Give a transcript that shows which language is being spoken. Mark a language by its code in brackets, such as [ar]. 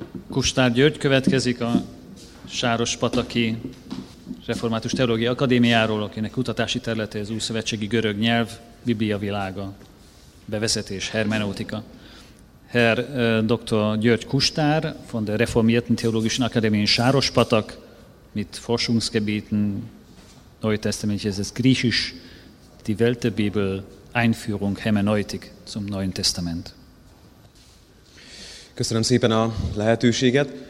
[hu] Kustár György következik a Sárospataki Református Teológiai Akadémiáról, akinek kutatási területe az újszövetségi görög nyelv, Biblia világa, bevezetés, hermeneutika. [de] Herr Dr. György Kustár von der Reformierten Theologischen Akademie in Sárospatak, mit Forschungsgebieten Neue Testament, ez ist griechisch, die Weltebibel, Einführung, Hermeneutik zum Neuen Testament. [hu] Köszönöm szépen a lehetőséget.